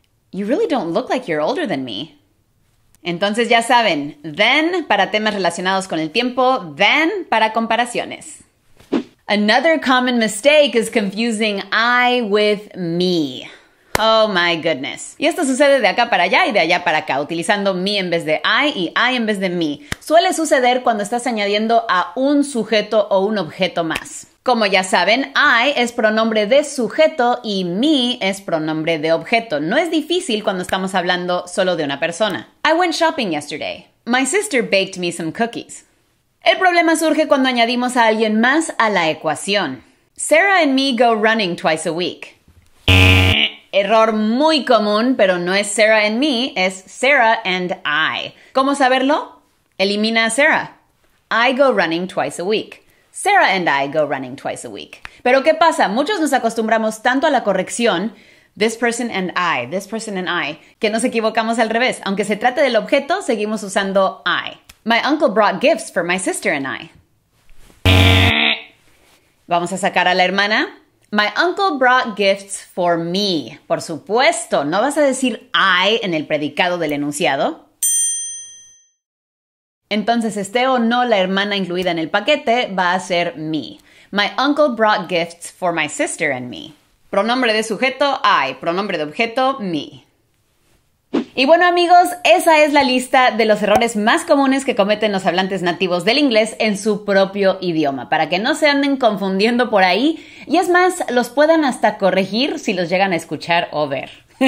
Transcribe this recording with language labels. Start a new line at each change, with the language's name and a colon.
English: You really don't look like you're older than me.
Spanish: Entonces ya saben, then para temas relacionados con el tiempo, then para comparaciones.
English: Another common mistake is confusing I with me. Oh my goodness.
Spanish: Y esto sucede de acá para allá y de allá para acá, utilizando me en vez de I y I en vez de me. Suele suceder cuando estás añadiendo a un sujeto o un objeto más. Como ya saben, I es pronombre de sujeto y me es pronombre de objeto. No es difícil cuando estamos hablando solo de una persona.
English: I went shopping yesterday. My sister baked me some cookies.
Spanish: El problema surge cuando añadimos a alguien más a la ecuación.
English: Sarah and me go running twice a week.
Spanish: Error muy común, pero no es
English: Sarah and me,
Spanish: es
English: Sarah and I.
Spanish: ¿Cómo saberlo? Elimina a Sarah.
English: I go running twice a week. Sarah and I go running twice a week.
Spanish: Pero ¿qué pasa? Muchos nos acostumbramos tanto a la corrección,
English: this person and I,
Spanish: que nos equivocamos al revés. Aunque se trate del objeto, seguimos usando I.
English: My uncle brought gifts for my sister and I.
Spanish: Vamos a sacar a la hermana.
English: My uncle brought gifts for me.
Spanish: Por supuesto, no vas a decir I en el predicado del enunciado. Entonces, esté o no la hermana incluida en el paquete, va a ser me.
English: My uncle brought gifts for my sister and me.
Spanish: Pronombre de sujeto, I. Pronombre de objeto, me. Y bueno, amigos, esa es la lista de los errores más comunes que cometen los hablantes nativos del inglés en su propio idioma, para que no se anden confundiendo por ahí. Y es más, los puedan hasta corregir si los llegan a escuchar o ver.